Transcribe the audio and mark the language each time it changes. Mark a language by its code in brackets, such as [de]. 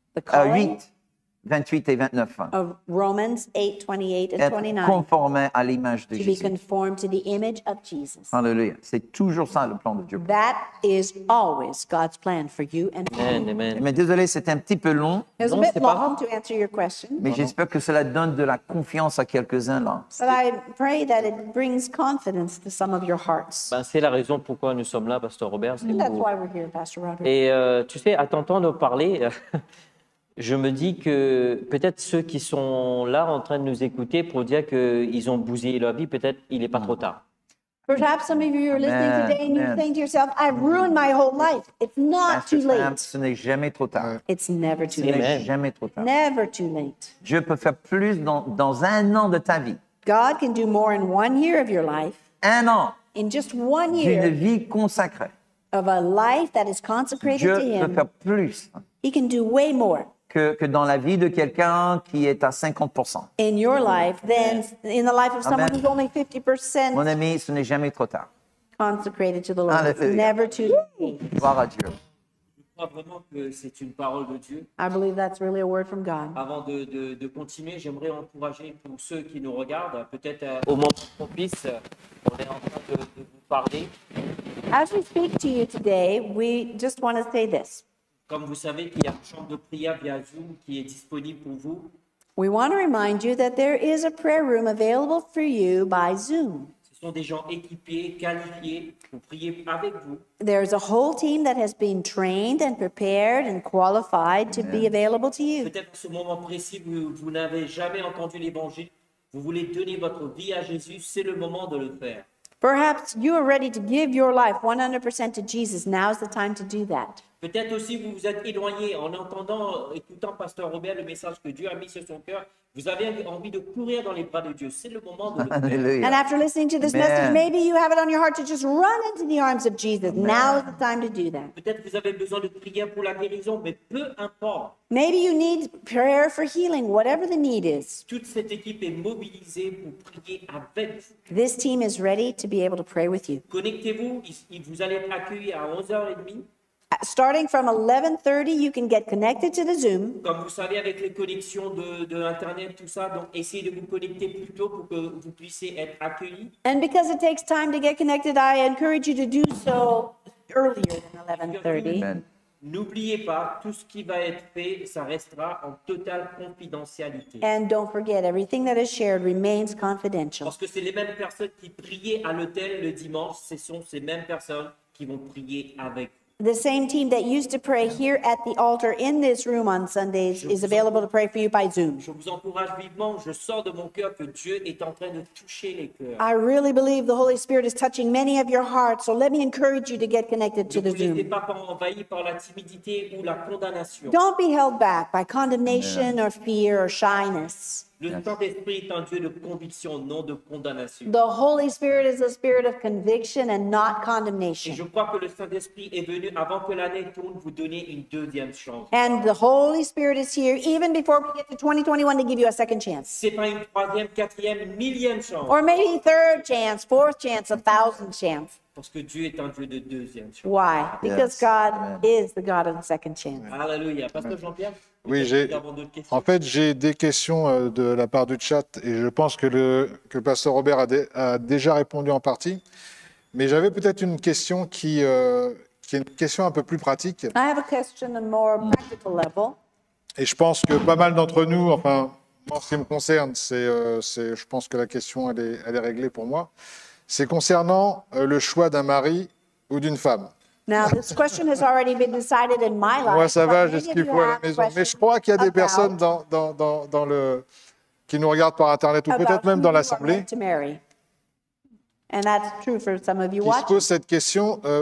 [en] Of Romans 8, 28 and 29. [fr] Être conformé à l'image de Jésus. [en] To be conformed to the image of Jesus. [fr] Alléluia. C'est toujours ça le plan de Dieu. [en] That is always God's plan for you and for me. Amen, amen. [fr] Mais désolé, c'était un petit peu long. [en] It was a bit long to answer your question. [fr] Mais j'espère que cela donne de la confiance à quelques-uns là. [en] But I pray that it brings confidence to some of your hearts. [fr] Ben, c'est la raison pourquoi nous sommes là, Pasteur Robert. [en] That's why we're here, Pasteur Robert. [fr] Et tu sais, à t'entendre parler... Je me dis que peut-être ceux qui sont là en train de nous écouter pour dire qu'ils ont bousillé leur vie, peut-être il n'est pas trop tard. [en] Perhaps some of you are listening today and you're saying to yourself, I've ruined my whole life. It's not too late. [fr] Ce n'est jamais trop tard. [en] It's never too late. [fr] Ce n'est jamais trop tard. [en] Never too late. [fr] Dieu peut faire plus dans un an de ta vie. [en] God can do more in 1 year of your life. [fr] Un an. [en] In just 1 year. [fr] D'une vie consacrée. [en] Of a life that is consecrated [fr] Dieu [en] to him. [fr] Dieu peut faire plus. [en] He can do way more. [fr] Que dans la vie de quelqu'un qui est à 50%. [en] In your life, then in the life of someone who's only 50%. [fr] Mon ami, ce n'est jamais trop tard. [en] Consecrated to the Lord. It's never too late. [fr] Gloire à Dieu. Je crois vraiment que c'est une parole de Dieu. [en] I believe that's really a word from God. [fr] Avant de continuer, j'aimerais encourager pour ceux qui nous regardent, peut-être au moment propice, on est en train de vous parler. [en] As we speak to you today, we just want to say this. [fr] Comme vous savez qu'il y a une chambre de prière via Zoom qui est disponible pour vous. [en] We want to remind you that there is a prayer room available for you by Zoom. [fr] Ce sont des gens équipés, qualifiés pour prier avec vous. [en] There is a whole team that has been trained and prepared and qualified to be available to you. [fr] Peut-être que ce moment précis où vous n'avez jamais entendu l'évangile, vous voulez donner votre vie à Jésus, c'est le moment de le faire. [en] Perhaps you are ready to give your life 100% to Jesus. Now is the time to do that. [fr] Peut-être aussi vous vous êtes éloigné en entendant, écoutant Pasteur Robert, le message que Dieu a mis sur son cœur. Vous avez envie de courir dans les bras de Dieu. C'est le moment de le faire. [en] And after listening to this message, maybe you have it on your heart to just run into the arms of Jesus. Amen. Now is the time to do that. [fr] Peut-être vous avez besoin de prière pour la guérison, mais peu importe. [en] Maybe you need prayer for healing, whatever the need is. [fr] Toute cette équipe est mobilisée pour prier avec vous. [en] This team is ready to be able to pray with you. [fr] Connectez-vous, vous allez être accueillis à 11h30. [en] Starting from 11:30, you can get connected to the Zoom. [fr] Comme vous savez, avec les connexions de Internet, tout ça, donc essayez de vous connecter plus tôt pour que vous puissiez être accueillis. [en] And because it takes time to get connected, I encourage you to do so earlier than 11:30. [fr] N'oubliez pas, tout ce qui va être fait, ça restera en totale confidentialité. [en] And don't forget, everything that is shared remains confidential. [fr] Parce que c'est les mêmes personnes qui priaient à l'hôtel le dimanche, ce sont ces mêmes personnes qui vont prier avec vous. [en] The same team that used to pray here at the altar in this room on Sundays is available to pray for you by Zoom. [fr] Je vous encourage vivement, je sors de mon cœur que Dieu est en train de toucher les cœurs. [en] I really believe the Holy Spirit is touching many of your hearts, so let me encourage you to get connected to the Zoom. [fr] Ne vous laissez pas envahir par la timidité ou la condamnation. [en] Don't be held back by condemnation or fear or shyness. [fr] Le Saint-Esprit est un Dieu de conviction, non de condamnation. [en] The Holy Spirit is a spirit of conviction and not condemnation. [fr] Et je crois que le Saint-Esprit est venu avant que l'année tourne vous donner une deuxième chance. [en] And the Holy Spirit is here even before we get to 2021 to give you a second chance. [fr] C'est pas une troisième, quatrième, millième chance. [en] Or maybe third chance, fourth chance, a thousandth chance. [fr] Parce que Dieu est un Dieu de deuxième chance. [en] Why? Because God is the God of the second chance. [fr] Alléluia. Pasteur Jean-Pierre? Oui, en fait, j'ai des questions de la part du chat et je pense que le pasteur Robert a déjà répondu en partie. Mais j'avais peut-être une question qui est une question un peu plus pratique. [en] I have a question on a more practical level. [fr] Et je pense que pas mal d'entre nous, enfin, En ce qui me concerne, c'est, je pense que la question, elle est réglée pour moi. C'est concernant le choix d'un mari ou d'une femme. [en] Now, this question has already been decided in my life. [fr] Moi, ça va, j'ai ce qu'il faut à la maison. Mais je crois qu'il y a des personnes dans le, qui nous regardent par Internet ou peut-être même dans l'Assemblée qui se posent cette question.